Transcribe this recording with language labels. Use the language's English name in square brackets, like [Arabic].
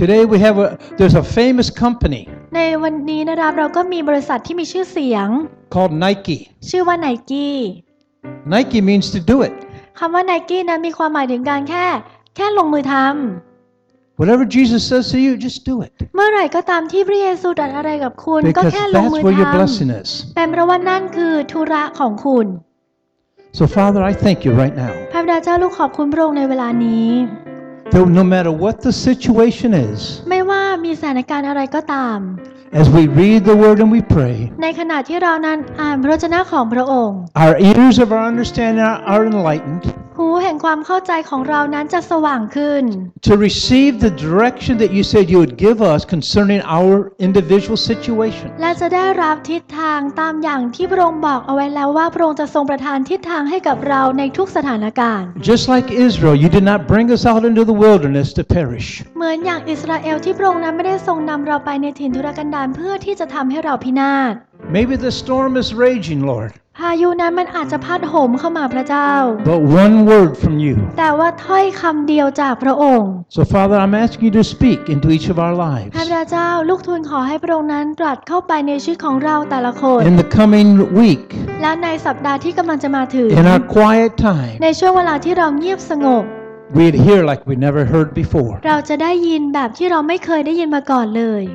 [English] Today we have a there's a famous company. [Thai] ในวันนี้นะครับเราก็มีบริษัทที่มีชื่อเสียง [English] called Nike. [Thai] ชื่อว่า Nike. [English] Nike means to do it. [Thai] คำว่า Nike นั้นมีความหมายถึงการแค่ลงมือทำ [English] Whatever Jesus says to you, just do it. [Thai] เมื่อไหร่ก็ตามที่พระเยซูตรัสอะไรกับคุณก็แค่ลงมือทำ [English] That's where your blessing is. [Thai] แต่เพราะว่านั่นคือธุระของคุณ [English] So Father, I thank you right now. [Thai] พระบิดาเจ้าลูกขอบคุณพระองค์ในเวลานี้ [English] No matter what the situation is, [Thai] ไม่ว่ามีสถานการณ์อะไรก็ตาม [English] as we read the word and we pray, [Thai] ในขณะที่เรานั้นอ่านพระวจนะของพระองค์ [English] our ears of our understanding are enlightened, [Thai] หูแห่งความเข้าใจของเรานั้นจะสว่างขึ้น [English] to receive the direction that you said you would give us concerning our individual situation, [Thai] และจะได้รับทิศทางตามอย่างที่พระองค์บอกเอาไว้แล้วว่าพระองค์จะทรงประทานทิศทางให้กับเราในทุกสถานการณ์ [English] just like Israel, you did not bring us out into the wilderness to perish [Thai] เหมือนอย่างอิสราเอลที่พระองค์นั้นไม่ได้ทรงนำเราไปในถิ่นทุรกันดารเพื่อที่จะทำให้เราพินาศ [English] Maybe the storm is raging Lord [Thai] พายุนั้นมันอาจจะพัดโหมเข้ามาพระเจ้า [English] But one word from you [Thai] แต่ว่าถ้อยคำเดียวจากพระองค์ [English] So Father I'm asking you to speak into each of our lives [Thai] พระเจ้าลูกทูลขอให้พระองค์นั้นตรัสเข้าไปในชีวิตของเราแต่ละคน [English] In the coming week [Thai] และในสัปดาห์ที่กำลังจะมาถึง [English] In our quiet time [Thai] ในช่วงเวลาที่เราเงียบสงบ [English] We'd hear like we never heard before. [Thai] เราจะได้ยินแบบที่เราไม่เคยได้ยินมาก่อนเลย